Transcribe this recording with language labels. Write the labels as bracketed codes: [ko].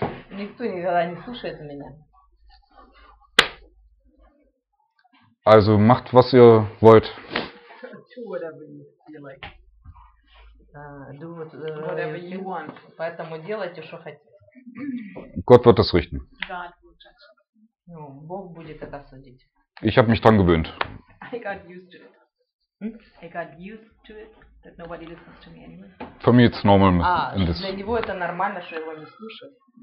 [ru] Никто никогда не слушает меня. [de] Also macht, was ihr wollt. [en] Do whatever you feel like. Whatever you want. [ru] Поэтому делайте, что хотите. [de] Gott wird das richten. [en] God will judge. [ru] Ну, Бог будет это судить. [de] Ich habe mich dran gewöhnt. [en] I got used to it. I got used to it, that nobody listens to me anymore. For me it's normal. [ru] Для него это нормально, что его не слушают.